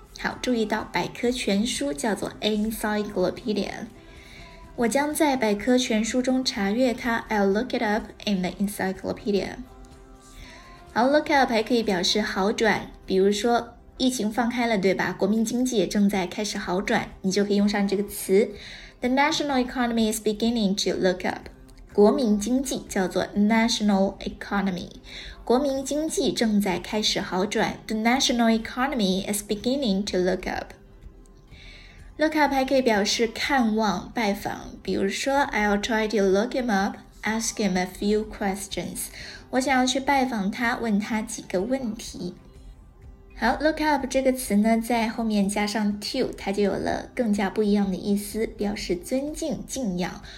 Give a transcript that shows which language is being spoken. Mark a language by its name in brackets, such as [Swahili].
[Chinese] 好，注意到百科全书叫做 encyclopedia， 我将在百科全书中查阅它。 [English] I'll look it up in the encyclopedia。 [Chinese] 好， look up 还可以表示好转，比如说疫情放开了，对吧？国民经济也正在开始好转，你就可以用上这个词。 [English] The national economy is beginning to look up. [Chinese] 国民经济叫做 national economy. 国民经济正在开始好转。 [English] The national economy is beginning to look up. [Chinese] Look up 还可以表示看望、拜访，比如说 [English] I'll try to look him up, ask him a few questions. [Chinese] 我想要去拜访他，问他几个问题。好， look up 这个词呢在后面加上 to， 它就有了更加不一样的意思，表示尊敬敬仰。